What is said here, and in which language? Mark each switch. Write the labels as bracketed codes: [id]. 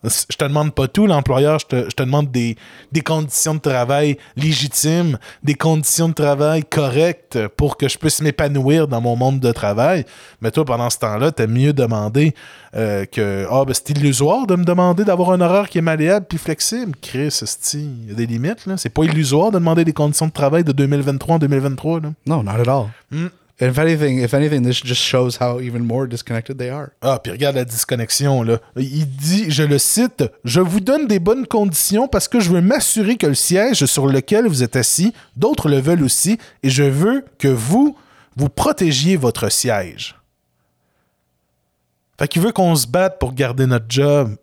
[fr] Je te demande pas tout, l'employeur, je te demande des conditions de travail légitimes, des conditions de travail correctes pour que je puisse m'épanouir dans mon monde de travail. Mais toi, pendant ce temps-là, t'as mieux demandé ben c'est illusoire de me demander d'avoir un horaire qui est malléable puis flexible. Chris, c'est-tu, il y a des limites, là. C'est pas illusoire de demander des conditions de travail de 2023 en 2023, là. Non, [en] not at all. If anything, this just shows how even more disconnected they are. [fr] Ah, puis regarde la disconnexion, là. Il dit, je le cite, « Je vous donne des bonnes conditions parce que je veux m'assurer que le siège sur lequel vous êtes assis, d'autres le veulent aussi, et je veux que vous protégiez votre siège. » Fait qu'il veut qu'on se batte pour garder notre job.